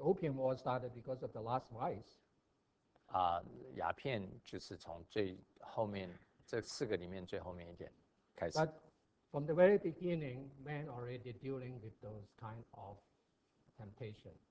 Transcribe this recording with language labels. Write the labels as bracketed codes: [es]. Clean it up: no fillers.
[en] opium war started because of the last vice. [zh] 鸦片就是从最后面这四个里面最后面一点开始。 [en] But from the very beginning, men already dealing with those kind of temptation.